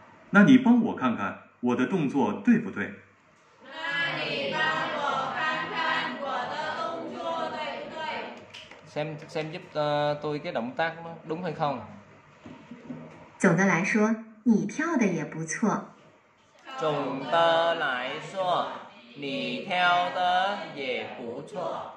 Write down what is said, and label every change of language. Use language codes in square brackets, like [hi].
[zh] 那你帮我看看我的动作对不对？那你帮我看看我的动作对不对？ [vi] xem giúp tôi cái động tác nó đúng hay không. [zh] 总的来说，你跳的也不错。总的来说，你跳的也不错。